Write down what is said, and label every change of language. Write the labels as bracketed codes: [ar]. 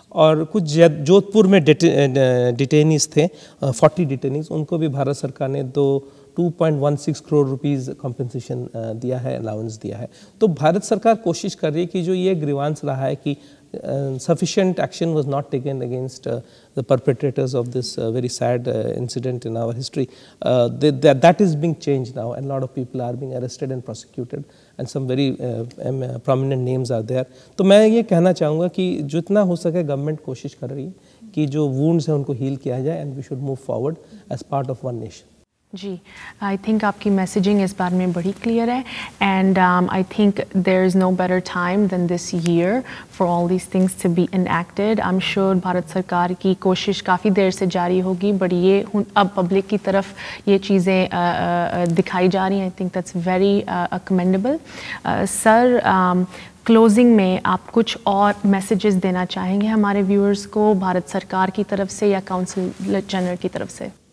[hi] और कुछ जोधपुर में डिटेनीज थे 40 डिटेनीज उनको भी भारत सरकार ने 2.16 करोड़ रुपीज़ कॉम्पेंसेशन दिया है अलाउंस दिया है तो भारत सरकार कोशिश कर रही है कि जो ये ग्रीवांस रहा है कि [en] sufficient action was not taken against the perpetrators of this very sad incident in our history. That is being changed now and a lot of people are being arrested and prosecuted and some very prominent names are there. So I would like to say that as much as government is trying to heal the wounds [hi] hai, unko heal kiya jaye, [en] and we should move forward as part of one nation. [hi] Ji I think आपकी messaging इस बारे में बड़ी clear है [en] and I think there is no better time than this year for all these things to be enacted I am sure [hi] Bharat सरकार की कोशिश काफ़ी देर से जारी होगी बट ये अब पब्लिक की तरफ ये चीज़ें दिखाई जा रही हैं [en] I think that's very commendable sir [hi] closing में आप कुछ और मैसेजेस देना चाहेंगे हमारे व्यूअर्स को भारत सरकार की तरफ से या काउंसिल जनरल की तरफ से